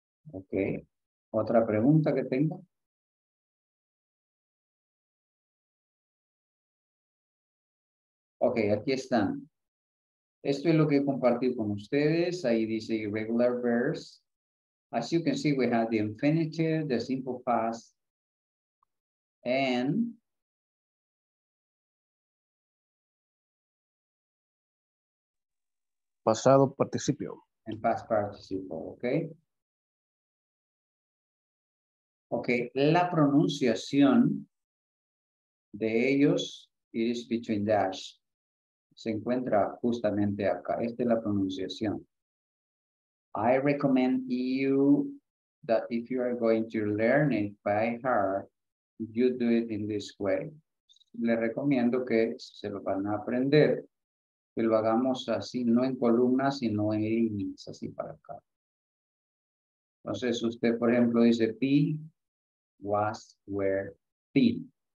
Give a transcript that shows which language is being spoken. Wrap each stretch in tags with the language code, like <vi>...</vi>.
<es>Ok. ¿Otra pregunta que tenga? Ok, aquí están. Esto es lo que he compartido con ustedes. Ahí dice irregular verbs.</es> <en>As you can see, we have the infinitive, the simple past, and</en> <es>pasado participio.</es> <en>And past participle, okay?</en> <es>Okay, la pronunciación de ellos,</es> <en>it is between dash.</en> <es>Se encuentra justamente acá. Esta es la pronunciación.</es> <en>I recommend you that if you are going to learn it by heart, you do it in this way.</en> <es>Le recomiendo que se lo van a aprender, que lo hagamos así, no en columnas, sino en líneas, así para acá. Entonces, usted, por ejemplo, dice be, was, were, been.</es>